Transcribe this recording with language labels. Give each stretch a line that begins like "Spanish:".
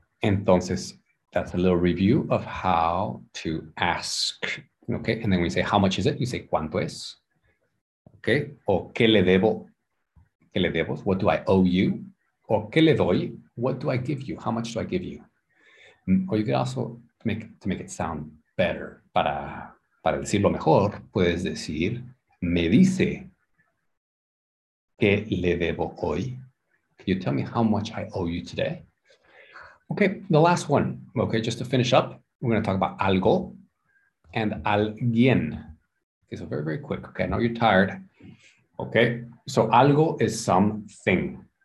English: Entonces, that's a little review of how to ask. Okay, and then we say, how much is it? You say,
Spanish: ¿cuánto es? Okay, o ¿qué le debo? ¿Qué le debo?
English: What do I owe you?
Spanish: O ¿qué le doy?
English: What do I give you? How much do I give you? Or you could also make it sound better.
Spanish: Para decirlo mejor, puedes decir, me dice que le debo hoy.
English: Can you tell me how much I owe you today? Okay, the last one. Okay, just to finish up, we're going to talk about algo and alguien. Okay, so very, very quick. Okay, I know you're tired. Okay, so algo is something.